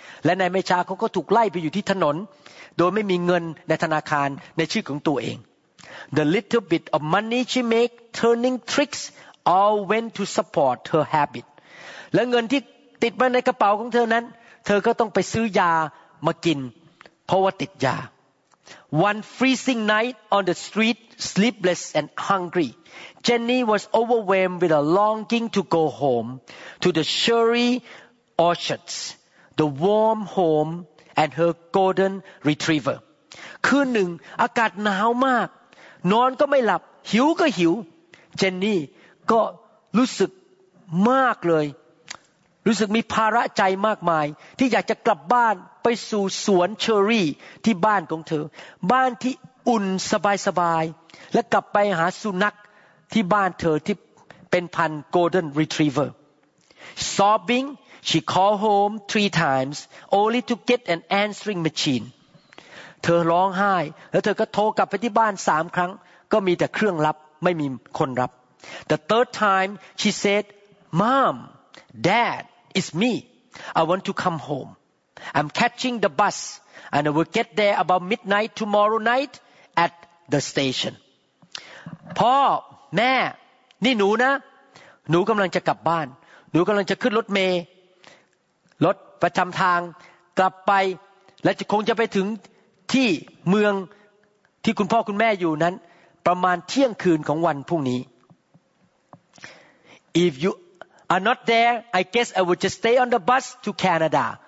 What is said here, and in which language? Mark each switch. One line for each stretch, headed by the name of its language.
Thai: และในไม่ช้าเขาก็ถูกไล่ไปอยู่ที่ถนนโดยไม่มีเงินในธนาคารในชื่อของตัวเอง
English: The little bit of money she made turning tricks all went to support her habit.
Thai: และเงินที่ติดมาในกระเป๋าของเธอนั้นเธอก็ต้องไปซื้อยามากินเพราะว่าติดยา
English: One freezing night on the street, sleepless and hungry, Jenny was overwhelmed with a longing to go home to the cherry orchards, the warm home. And her golden retriever.
Thai: คืนหนึ่งอากาศหนาวมากนอนก็ไม่หลับหิวก็หิวเจนนี่ก็รู้สึกมากเลยรู้สึกมีภาระใจมากมายที่อยากจะกลับบ้านไปสู่สวนเชอร์รี่ที่บ้านของเธอบ้านที่อุ่นสบายสบายและกลับไปหาสุนัขที่บ้านเธอที่เป็นพันธุ์ golden retriever.
English: Sobbing. She called home 3 times only to get an answering machine.
Thai: เธอร้องไห้แล้วเธอก็โทรกลับไปที่บ้าน3ครั้งก็มีแต่เครื่องรับไม่มีคนรับ
English: The third time she said, "Mom, Dad, it's me. I want to come home. I'm catching the bus and I will get there about midnight tomorrow night at the station."
Thai: พ่อแม่นี่หนูนะหนูกำลังจะกลับบ้านหนูกำลังจะขึ้นรถเมย์รถประจำทางกลับไปและคงจะไปถึงที่เมืองที่คุณพ่อคุณแม่อยู่นั้นประมาณเที่ยงคืนของวันพรุ่งนี้
English: If you are not there, I guess I would just stay on the bus to Canada.